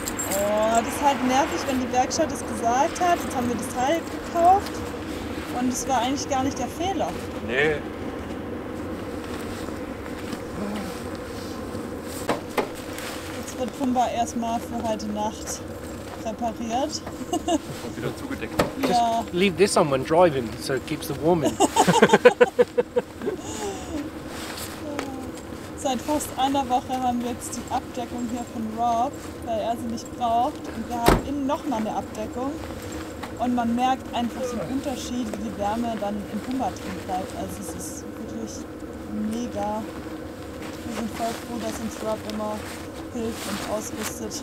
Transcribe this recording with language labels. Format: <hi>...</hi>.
<de>Oh, das ist halt nervig, wenn die Werkstatt das gesagt hat. Jetzt haben wir das Teil gekauft. Und es war eigentlich gar nicht der Fehler. Nee. Jetzt wird Pumbaa erstmal für heute Nacht repariert. Und wieder zugedeckt. Ja.</de> <en>Just leave this on when driving, so it keeps the warm in.</en> <de>Seit fast einer Woche haben wir jetzt die Abdeckung hier von Rob, weil er sie nicht braucht. Und wir haben innen nochmal eine Abdeckung. Und man merkt einfach so einen Unterschied, wie die Wärme dann im Pumbaa drin bleibt. Also es ist wirklich mega. Wir sind voll froh, dass uns Rob immer hilft und ausrüstet.</de>